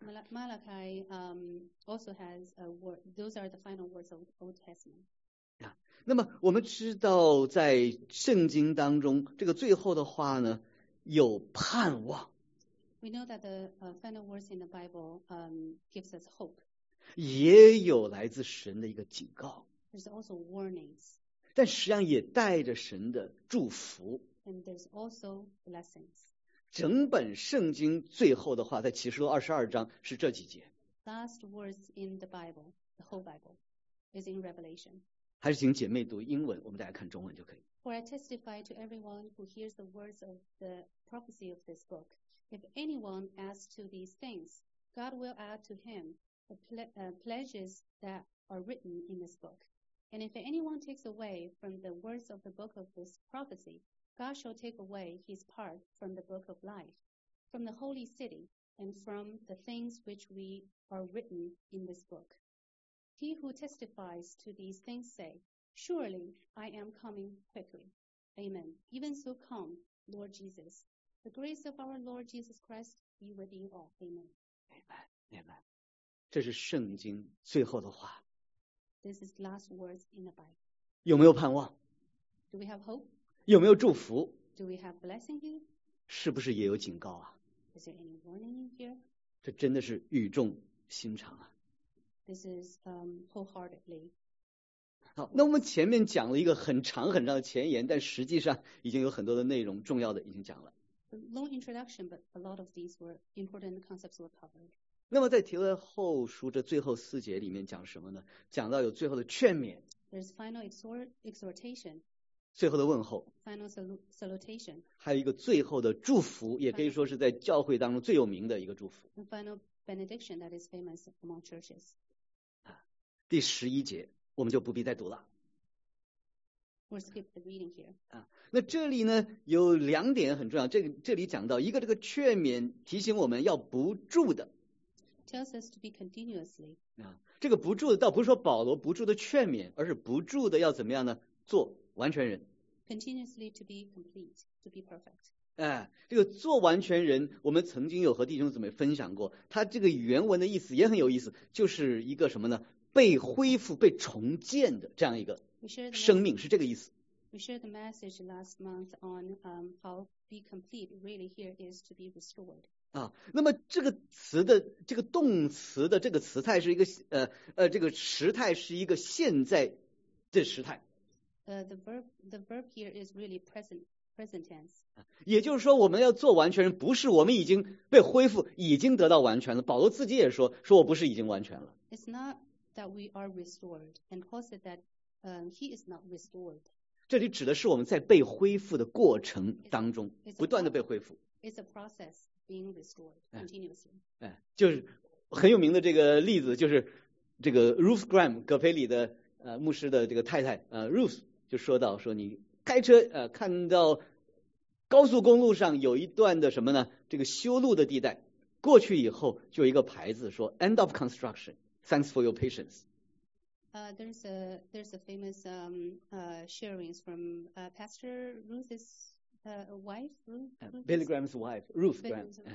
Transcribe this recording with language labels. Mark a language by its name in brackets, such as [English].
[English] Malachi also has a word, those are the final words of Old Testament. [Chinese] 那么我们知道在圣经当中这个最后的话呢有盼望。 [English] We know that the final words in the Bible gives us hope. [Chinese] 也有来自神的一个警告。 [English] There's also warnings. [Chinese] 但实际上也带着神的祝福。 [English] And there's also blessings. [Chinese] 整本圣经最后的话，在启示录22章是这几节。 [English] Last words in the Bible, the whole Bible, is in Revelation. [Chinese] 还是请姐妹读英文，我们大家看中文就可以。 [English] For I testify to everyone who hears the words of the prophecy of this book. If anyone adds to these things, God will add to him the pledges that are written in this book. And if anyone takes away from the words of the book of this prophecy, God shall take away his part from the book of life, from the holy city, and from the things which we are written in this book. He who testifies to these things say, Surely I am coming quickly. Amen. Even so come, Lord Jesus. The grace of our Lord Jesus Christ be with you all. Amen. [Chinese] Amen. Amen. 这是圣经最后的话。 [English] This is last words in the Bible. [Chinese] 有没有盼望？ [English] Do we have hope? [Chinese] 有没有祝福？ [English] Do we have blessing here? [Chinese] 是不是也有警告啊？ [English] Is there any warning in here? [Chinese] 这真的是语重心长啊。 [English] This is wholeheartedly. [Chinese] 好，那我们前面讲了一个很长很长的前言，但实际上已经有很多的内容，重要的已经讲了。 [English] Long introduction, but a lot of these were important concepts were covered. [Chinese] 那么在提勒后书这最后四节里面讲什么呢？讲到有最后的劝勉。 [English] There's final exhortation. [Chinese] 最后的问候。 [English] Final salutation. [Chinese] 还有一个最后的祝福，也可以说是在教会当中最有名的一个祝福。 [English] The final benediction that is famous among churches. [Chinese] 第十一节我们就不必再读了。 [English] We'll skip the reading here. [Chinese] 那这里呢有两点很重要，这里讲到一个，这个劝勉提醒我们要不住的。 [English] Tells us to be continuously. [Chinese] 这个不住的倒不是说保罗不住的劝勉，而是不住的要怎么样呢？做完全人。 [English] Continuously to be complete, to be perfect. [Chinese] 这个做完全人，我们曾经有和弟兄姊妹分享过，他这个原文的意思也很有意思，就是一个什么呢？被恢复、被重建的这样一个生命，是这个意思。 [English] We shared the message last month on how be complete really here is to be restored. [Chinese] 那么这个词的这个动词的这个词态是一个这个时态是一个现在的时态。 [English] The verb here is really present tense. [Chinese] 也就是说我们要做完全人，不是我们已经被恢复已经得到完全了。保罗自己也说我不是已经完全了。 [English] It's not that we are restored, and Paul said that he is not restored. [Chinese] 这里指的是我们在被恢复的过程当中不断的被恢复。 [English] It's a process being restored continuously. [Chinese] 就是很有名的这个例子，就是这个 Ruth Graham 葛培里的牧师的这个太太Ruth 就说到说，你开车看到高速公路上有一段的什么呢？这个修路的地带过去以后，就有一个牌子说 [English] End of construction. Thanks for your patience. There's a famous sharings from Pastor Ruth's wife, Ruth? Billy Graham's wife, Ruth Graham.